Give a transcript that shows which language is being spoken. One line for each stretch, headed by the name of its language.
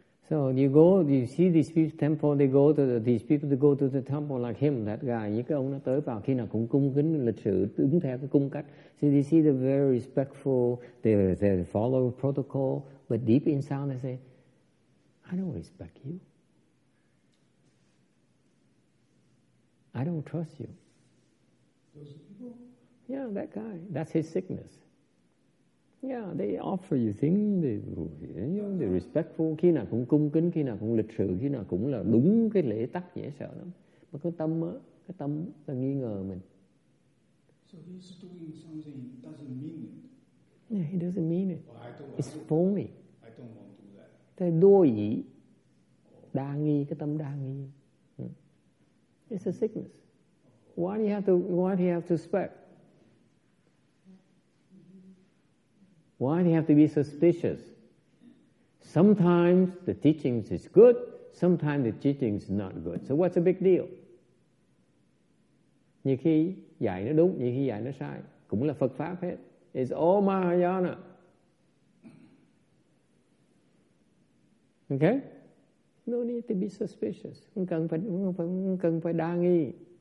English: So you go, you see these people's temple, they go to the, these people to go to the temple like him, that guy.
Vietnamese: Những cái ông nó tới vào khi nào cũng cung kính lịch sự, đúng theo cái cung cách.
English: So they see they're very respectful, they follow protocol, but deep inside they say, I don't respect you. I don't trust you. Those people? Yeah, that guy. That's his sickness. Yeah, they offer you things, they're respectful.
Vietnamese: Khi nào cũng cung kính, khi nào cũng lịch sự, khi nào cũng là đúng cái lễ tắc dễ sợ lắm. Mà cái tâm là nghi ngờ mình.
English: So he's doing something doesn't mean it. Yeah, he doesn't mean it. Well, it's phony. I don't want to do that.
Vietnamese: Thế đôi ý, đa nghi, cái tâm đa nghi.
English: It's a sickness. Why do you have to expect? Why do you have to be suspicious? Sometimes the teachings is good, sometimes the teachings is not good. So what's the big deal? Nhiều khi dạy nó đúng, nhiều khi dạy nó sai, cũng là Phật pháp hết. It's all Mahayana. Okay? No need to be suspicious.
Vietnamese: Không cần phải đa nghi.